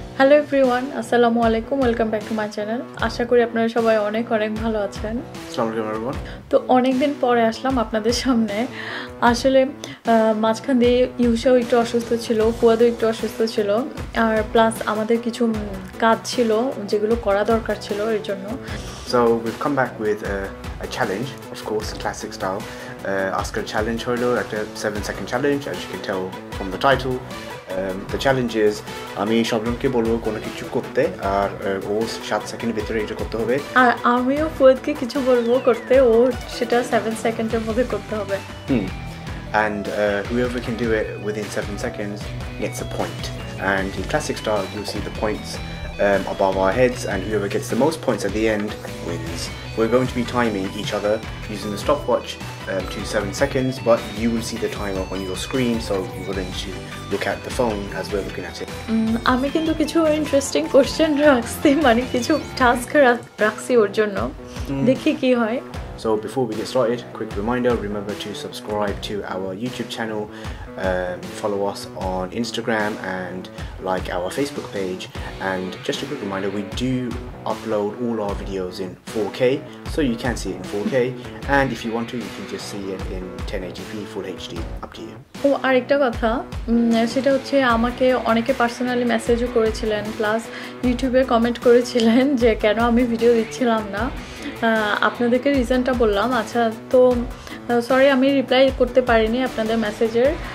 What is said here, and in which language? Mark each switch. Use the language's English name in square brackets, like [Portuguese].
[English] hello everyone, [Bangla] আসসালামু আলাইকুম, [English] Welcome back to my channel. [Bangla] আশা করি আপনারা সবাই অনেক অনেক ভালো আছেন। তো অনেকদিন পরে আসলাম আপনাদের সামনে। আসলে মাঝখান দিয়ে ইউসাও একটু অসুস্থ ছিল, ফুয়াদও একটু অসুস্থ ছিল, আর প্লাস আমাদের কিছু কাজ ছিল যেগুলো করা দরকার ছিল এর জন্য। [English] So we've come back with a challenge, of course, classic style. Oscar challenge [Bangla] holo, [English] like a 7-second challenge, as you can tell from the title. The challenge is, [Bangla] আমি শবনমকে বলবো কোনো কিছু করতে, আর ও 7 সেকেন্ডের ভিতরে এটা করতে হবে। আর আমিও ফুয়াদকে কিছু বলবো করতে, ও সেটা 7 সেকেন্ডের মধ্যে করতে হবে। [English] And whoever can do it within 7 seconds gets a point. And in classic style, you'll see the points above our heads, and whoever gets the most points at the end wins. We're going to be timing each other using the stopwatch to 7 seconds, but you will see the timer on your screen, so you will need to look at the phone as we're looking at it. [Bangla] আমি কিন্তু কিছু interesting question রাখছি, মানে কিছু task রাখছি ওর জন্য, দেখি কি হয়। [English] So before we get started, quick reminder, remember to subscribe to our YouTube channel, follow us on Instagram and like our Facebook page. And just a quick reminder, we do upload all our videos in 4K, so you can see it in 4K. And if you want to, you can just see it in 1080p, full HD, up to you. [Bangla] Oh, আরেকটা কথা, সেটা হচ্ছে আমাকে অনেকে personally মেসেজও করেছিলেন, plus ইউটিউবে comment করেছিলেন যে কেন আমি ভিডিও দিচ্ছিলাম না। আপনাদেরকে রিজনটা বললাম। আচ্ছা, তো সরি আমি রিপ্লাই করতে পারিনি আপনাদের মেসেজের।